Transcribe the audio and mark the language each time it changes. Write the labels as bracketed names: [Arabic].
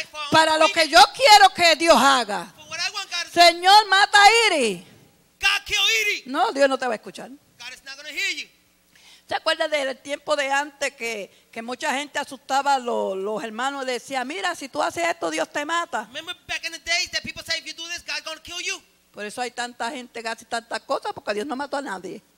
[Spanish] Para lo que yo quiero que Dios haga. Señor, mata a Iri. [English] God kill Iri. [Spanish] No, Dios no te va a escuchar. [English] God is not gonna hear you. [Spanish] ¿Se acuerda del tiempo de antes que Que mucha gente asustaba a los hermanos, decía, mira, si tú haces esto, Dios te mata. [English] Remember back in the days that people say, if you do this, God's gonna kill you. [Spanish] Por eso hay tanta gente que hace tantas cosas, porque Dios no mató a nadie.